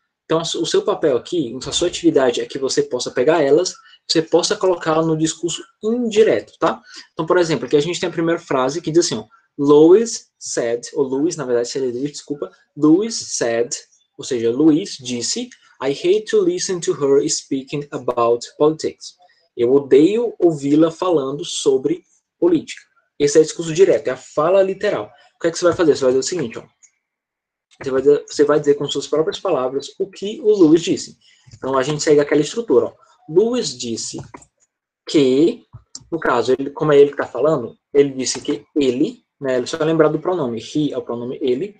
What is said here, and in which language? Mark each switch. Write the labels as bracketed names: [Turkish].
[Portuguese] Então, o seu papel aqui, a sua atividade é que você possa pegar elas, você possa colocá-las no discurso indireto, tá? Então, por exemplo, aqui a gente tem a primeira frase que diz assim, ó: [English] Louis said, [Portuguese] ou Louis, na verdade, seria, desculpa, Louis said, ou seja, Louis disse. [English] I hate to listen to her speaking about politics. [Portuguese] Eu odeio ouvi-la falando sobre política. Esse é o discurso direto, é a fala literal. O que é que você vai fazer? Você vai fazer o seguinte, ó. Você vai dizer com suas próprias palavras o que o Lewis disse. Então, a gente segue aquela estrutura. Ó. Lewis disse que, no caso, ele, como é ele que está falando, ele disse que ele, né, ele só vai lembrar do pronome, he é o pronome ele.